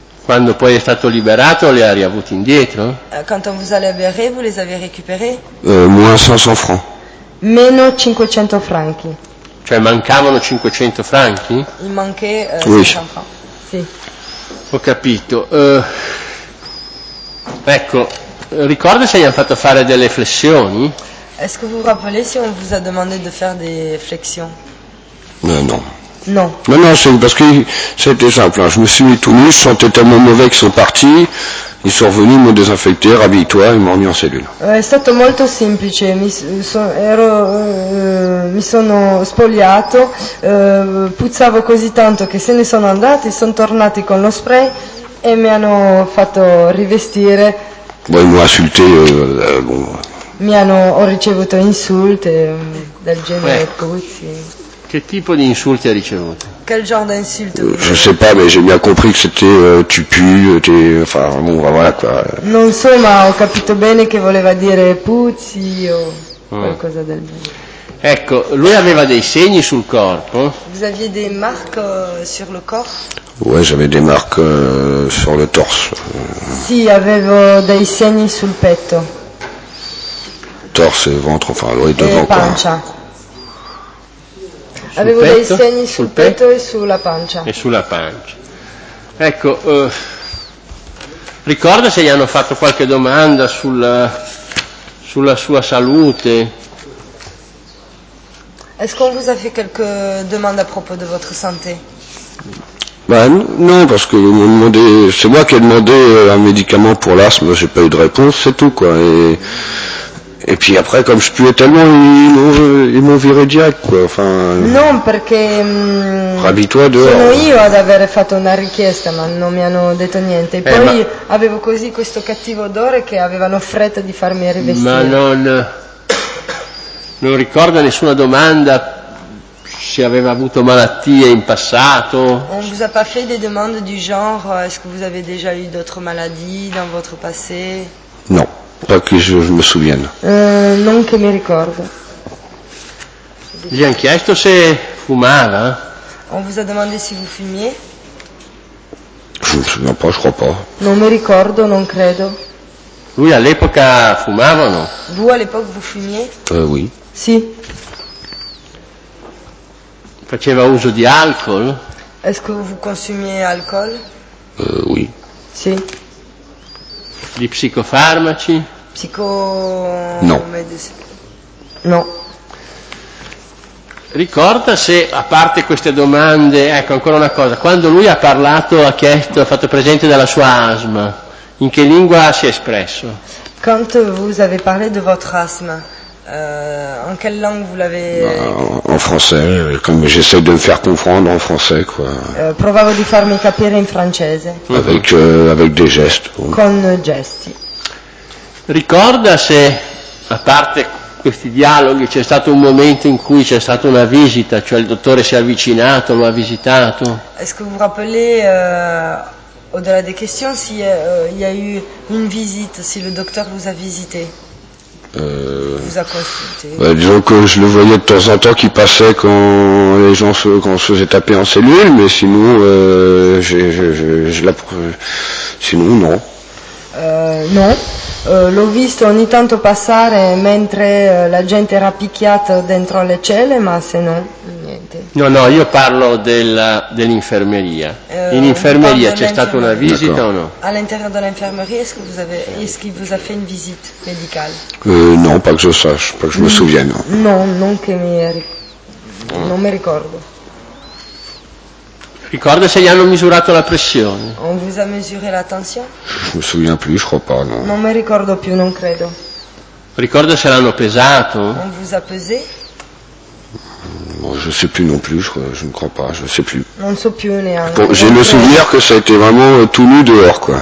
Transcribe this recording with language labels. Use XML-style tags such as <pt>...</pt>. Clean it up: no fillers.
<it>Quando poi è stato liberato, li ha riavuti indietro?</it> <fr>Quando vous allez libérer, vous les avez récupérés? Moins 500 francs.</fr> <it>Meno 500 franchi. Cioè mancavano 500 franchi?</it> <fr>Il manché 500 francs.</fr> <it>Sì. Ho capito. Ecco, ricorda se gli hanno fatto fare delle flessioni?</it> <fr>Est-ce que vous rappelez si on vous a demandé de faire des flexions? Non.</fr> <it>Non.</it> <fr>Non, non, c'est parce que c'était simple. Hein. Je me suis mis tout nu, je sentais tellement mauvais qu'ils sont partis. Ils sont revenus, m'ont désinfecté, rhabille-toi, ils m'ont mis en cellule.</fr> <it>È stato molto semplice. Mi sono spogliato, puzzavo così tanto che se ne sono andati, sono tornati con lo spray e mi hanno fatto rivestire.</it> <fr>Bon, ils m'ont insulté. Bon.</fr> <it>Ho ricevuto insulte del genere. Puzzi.</it> <fr>Quel type d'insulte</fr> <it>a ricevuto?</it> <fr>Quel genre d'insulte? Je sais pas, mais j'ai bien compris que c'était tu pues, enfin bon, voilà quoi.</fr> <it>Non so, ma ho capito bene che voleva dire puzzi o qualcosa del genere. Ecco, lui aveva dei segni sul corpo.</it> <fr>Vous aviez des marques sur le corps? Ouais, j'avais des marques sur le torse.</fr> <it>Sì, avevo dei segni sul petto.</it> <fr>Torse e ventre, enfin lui devant</fr> <it>quoi. E pancia. Avevo petto, dei segni sul petto e sulla pancia. E sulla pancia. Ecco, ricorda se gli hanno fatto qualche domanda sulla sua salute?</it> <fr>Est-ce qu'on vous a fait quelque domande à propos de votre santé? Ben non, parce que vous m'avez demandé, c'est moi qui ai demandé un médicament pour l'asthme, j'ai pas eu de réponse, c'est tout quoi. Et puis après, comme je puais tellement, ils m'ont viré direct, quoi. Enfin.</fr> <it>Non, perché.</it> <fr>Rhabille-toi dehors.</fr> <it>Sono io ad aver fatto una richiesta, ma non mi hanno detto niente. E poi avevo così questo cattivo odore che avevano fretta di farmi rivestire. Ma non ricorda nessuna domanda se aveva avuto malattie in passato.</it> <fr>On vous a pas fait des demandes du genre est-ce que vous avez déjà eu d'autres maladies dans votre passé? Non. Pas que je me souvienne.</fr> <it>Non che mi ricordo. Gli hanno chiesto se fumava.</it> <fr>On vous a demandé si vous fumiez. Je ne me souviens pas, je crois pas.</fr> <it>Non mi ricordo, non credo. Lui all'epoca fumavano? Voi all'epoca</it> <fr>vous fumiez? Oui.</fr> <it>Sì. Faceva uso di alcol?</it> <fr>Est-ce que vous consommiez alcool? Oui.</fr> <it>Sì. Di psicofarmaci?</it> <fr>Psico...</fr> <it>No. No. Ricorda se, a parte queste domande, ecco ancora una cosa, quando lui ha parlato, ha chiesto, ha fatto presente della sua asma, in che lingua si è espresso? Quando</it> <fr>vous avez parlé de votre asma, en quelle langue vous l'avez... En français, comme j'essaie de me faire comprendre en français, quoi.</fr> <it>Provavo di farmi capire in francese.</it> <fr>Avec des gestes. Oui.</fr> <it>Con gesti. Ricorda se, a parte questi dialoghi, c'è stato un momento in cui c'è stata una visita, cioè il dottore si è avvicinato, lo ha visitato?</it> <fr>Est-ce que vous rappelez, au-delà des questions, si il y a eu une visite, si le docteur vous a visité? Vous a consulté? Disons que je le voyais de temps en temps qui passait quand les gens se, quand on se faisait taper en cellule, mais sinon, sinon, non.</fr> <it>Non, l'ho visto ogni tanto passare mentre la gente era picchiata dentro le celle, ma se no, niente. No, no, io parlo dell'infermeria. In infermeria c'è stata una visita o no? All'interno dell'infermeria,</it> <fr>est-ce qu'il vous a fait une visite médicale? Non, pas que je sache, pas que je me souvienne.</fr> <it>Non, non che mi non mi ricordo. Ricorda se gli hanno misurato la pressione?</it> <fr>On vous a mesuré la tension? Je me souviens plus, je crois pas, non.</fr> <it>Non mi ricordo più, non credo. Ricorda se l'hanno pesato?</it> <fr>On vous a pesé? Bon, je sais plus non plus, je ne crois pas, je sais plus.</fr> <it>Non so più neanche.</it> <fr>Bon, j'ai le souvenir que ça a été vraiment tout nu dehors, quoi.</fr>